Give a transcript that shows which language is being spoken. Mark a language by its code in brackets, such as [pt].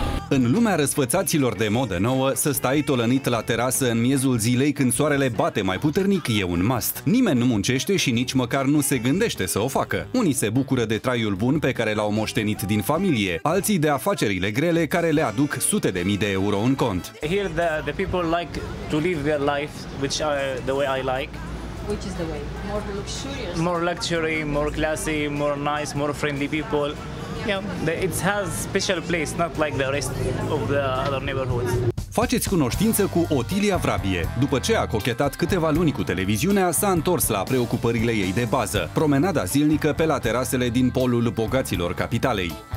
[ro] În lumea răsfățaților de modă nouă, să stai tolănit la terasă în miezul zilei când soarele bate mai puternic e un must. Nimeni nu muncește și nici măcar nu se gândește să o facă. Unii se bucură de traiul bun pe care l-au moștenit din familie, alții de afacerile grele care le aduc sute de mii de euro în cont. [en] Here the people like to live their life which are the way I like. Which is the way? More luxurious. More luxury, more classy, more nice, more friendly people. Yeah, it has special place, not like the rest of the other neighborhoods. [ro] Faceți cunoștință cu Otilia Vrabie. După ce a cochetat câteva luni cu televiziunea, s-a întors la preocupările ei de bază, promenada zilnică pe la terasele din polul bogaților capitalei.